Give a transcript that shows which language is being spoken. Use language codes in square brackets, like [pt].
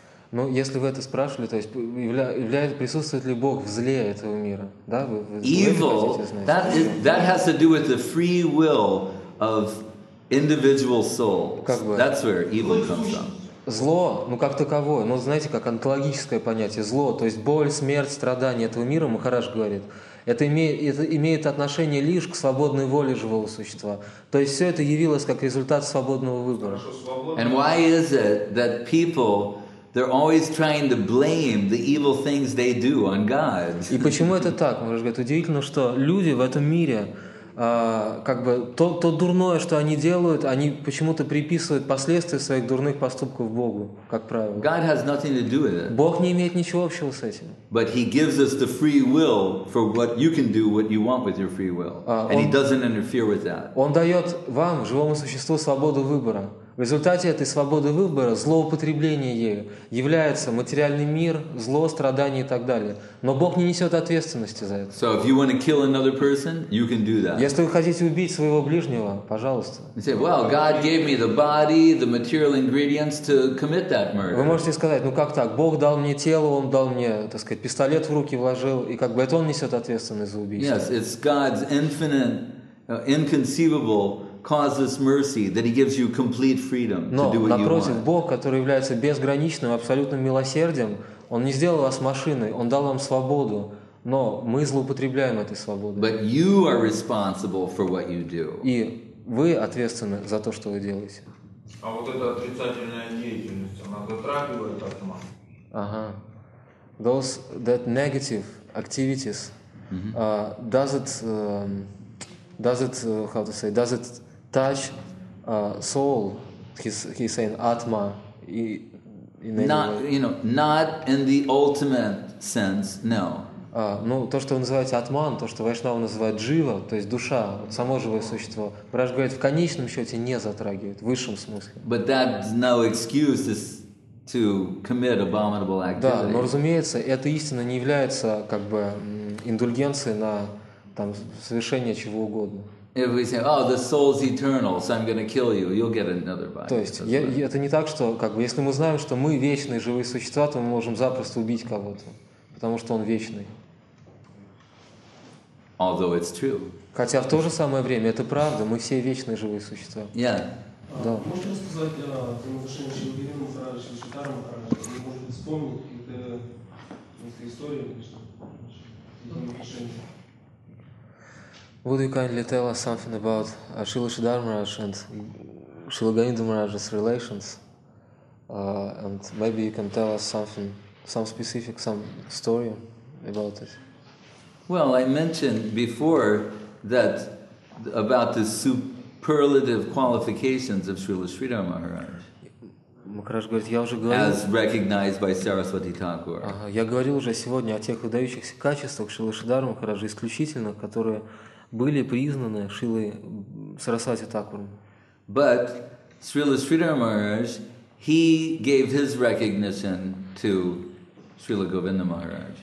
[ru] Ну, если вы это спрашивали, то есть является присутствует ли Бог в зле этого мира, да? [en] Evil. That has to do with the free will of individual soul. That's where evil comes from. [ru] Зло, ну как таковое, ну знаете, как онтологическое понятие, зло, то есть боль, смерть, страдания этого мира, Махарадж говорит, это имеет отношение лишь к свободной воле живого существа. То есть все это явилось как результат свободного выбора. [en] And why is it that people, they're always trying to blame the evil things they do on God? [ru] И почему это так? Махарадж говорит, удивительно, что люди в этом мире, как бы то дурное, что они делают, они почему-то приписывают последствия своих дурных поступков Богу, как правило. [en] God has nothing to do with it. [ru] Бог не имеет ничего общего с этим. [en] But he gives us the free will for what you can do, what you want with your free will, and he doesn't interfere with that. [ru] Он дает вам, живому существу, свободу выбора. В результате этой свободы выбора, злоупотребление ею, является материальный мир, зло, страдания и так далее. Но Бог не несет ответственности за это. [en] So if you want to kill another person, you can do that. [ru] Если вы хотите убить своего ближнего, пожалуйста. [en] You say, well, God gave me the body, the material ingredients to commit that murder. [ru] Вы можете сказать, ну как так, Бог дал мне тело, Он дал мне, так сказать, пистолет в руки вложил, и как бы это Он несет ответственность за убийство. [en] Yes, it's God's infinite, inconceivable causes mercy that he gives you complete freedom to do what you want. [ru] Напротив, Бог, который является безграничным, абсолютным милосердием, он не сделал вас машиной, он дал вам свободу, но мы злоупотребляем этой свободой. [en] But you are responsible for what you do. [ru] И вы ответственны за то, что вы делаете. А вот эта отрицательная деятельность, она затрагивает атман. Ага. [en] That negative activities, does it touch soul, he's saying atma. Not in the ultimate sense, no. [ru] Ну, то, что называется атман, то, что вайшнавы называют джива, то есть душа, вот само живое существо, Враж говорит, в конечном счете не затрагивает, в высшем смысле. [en] But that no excuse is to commit abominable activity. [ru] Да, но, разумеется, эта истина не является как бы индульгенцией на там, совершение чего угодно. [en] If we say, oh, the soul's eternal, so I'm going to kill you, you'll get another body. [ru] То есть, это не так, что, как бы, если мы знаем, что мы вечные живые существа, то мы можем запросто убить кого-то, потому что он вечный. [en] Although it's true. [ru] Хотя в то же самое время, это правда, мы все вечные живые существа. [en] Yeah. [ru] Да. Можно сказать о том отношении Шивгирина Махараджа, Шитара Махараджа, или, может быть, вспомнить какие-то истории, конечно, какие-то отношения? [en] Would you kindly tell us something about Srila Siddhartha Maharaj and Srila Govinda Maharaj's relations? And maybe you can tell us something, some specific, some story about it. Well, I mentioned before that about the superlative qualifications of Srila Siddhartha Maharaj. [ru] Макараш говорит, я уже говорил. [en] As recognized by Saraswati Thakur. [ru] Я говорил уже сегодня о тех выдающихся качествах Srila Siddhartha Maharaja исключительно, которые были признаны Шрилой Сарасвати Такуром. [en] But Srila Sridhar Maharaj, he gave his recognition to Srila Govinda Maharaj.